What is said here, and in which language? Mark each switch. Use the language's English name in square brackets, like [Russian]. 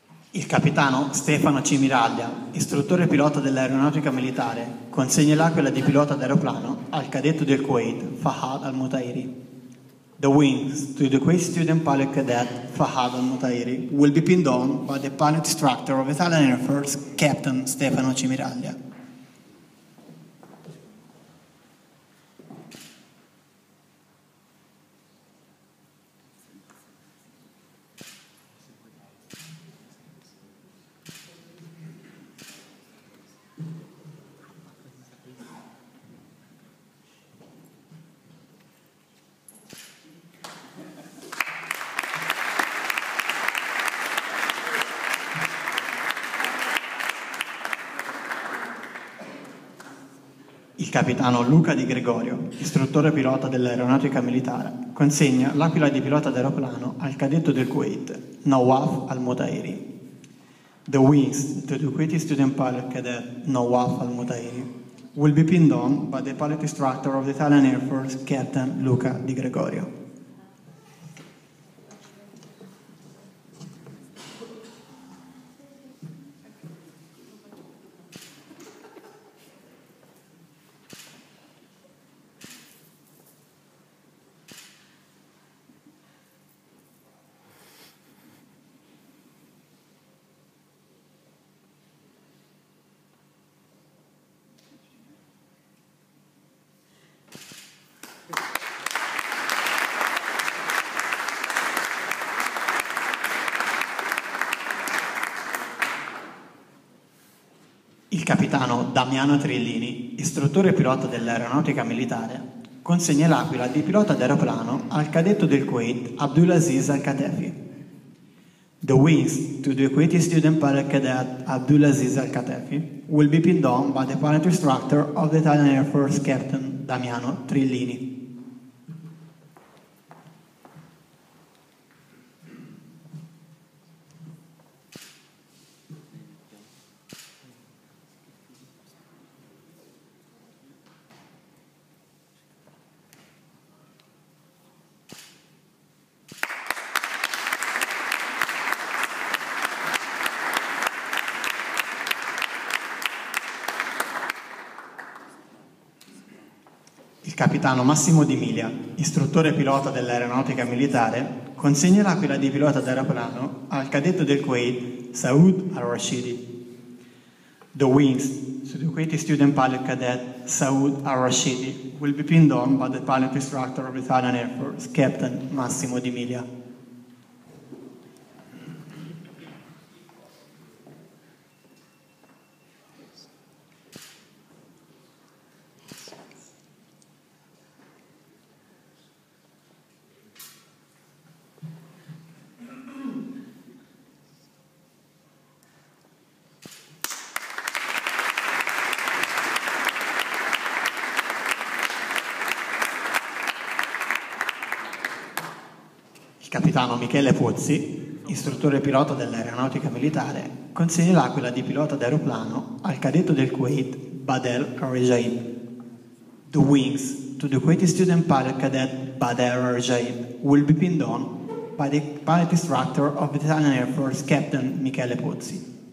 [Italian] Il capitano Stefano Cimiraglia, istruttore pilota dell'aeronautica militare, consegna l'aquila di pilota d'aeroplano al cadetto del Kuwait, Fahad Al-Mutairi. [English] The wings to the Kuwait student pilot cadet Fahad Al-Mutairi will be pinned on by the pilot instructor of Italian Air Force, Captain Stefano Cimiraglia. [Italian] Capitano Luca Di Gregorio, istruttore pilota dell'aeronautica militare, consegna l'aquila di pilota d'aeroplano al cadetto del Kuwait, Nawaf Al-Mutairi. [English] The wings to the Kuwaiti student pilot cadet Nawaf Al-Mutairi will be pinned on by the pilot instructor of the Italian Air Force, Captain Luca Di Gregorio. [Italian] Il capitano Damiano Trillini, istruttore pilota dell'aeronautica militare, consegna l'aquila di pilota d'aeroplano al cadetto del Kuwait, Abdulaziz Al-Katefi. [English] The wings to the Kuwaiti student pilot cadet Abdulaziz Al-Katefi will be pinned on by the pilot instructor of the Italian Air Force, Captain Damiano Trillini. [Italian] Il capitano Massimo D'Emilia, istruttore pilota dell'aeronautica militare, consegnerà quella di pilota d'aeroplano al cadetto del Kuwait, Saud al-Rashidi. [English] The wings to the Kuwaiti student pilot cadet Saud al-Rashidi will be pinned on by the pilot instructor of Italian Air Force, Captain Massimo D'Emilia. [Italian] Capitano Michele Pozzi, istruttore pilota dell'aeronautica militare, consegnerà quella di pilota d'aeroplano al cadetto del Kuwait, Badel Rajaib. [English] The wings to the Kuwaiti student pilot cadet Badel Rajaib will be pinned on by the pilot instructor of the Italian Air Force, Captain Michele Pozzi.